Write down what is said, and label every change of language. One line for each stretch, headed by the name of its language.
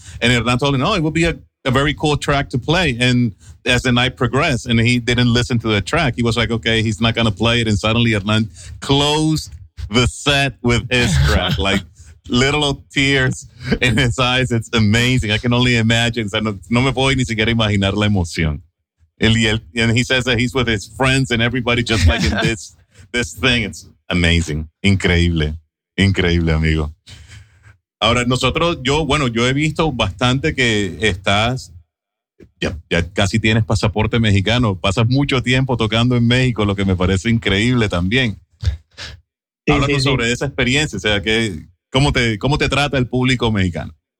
English: And Hernán told him, "Oh, it would be a very cool track to play." And as the night progressed and he didn't listen to the track, he was like, okay, he's not gonna play it. And suddenly Hernán closed the set with his track, like little tears in his eyes. It's amazing. I can only imagine.
Spanish: No me puedo ni siquiera imaginar la emoción.
English: And he says that he's with his friends and everybody just like in this thing. It's amazing.
Spanish: Increíble. Increíble, amigo. Ahora, yo he visto bastante que estás, ya casi tienes pasaporte mexicano, pasas mucho tiempo tocando en México, lo que me parece increíble también. Sí, Háblanos sobre esa experiencia, o sea, ¿cómo te trata el público mexicano?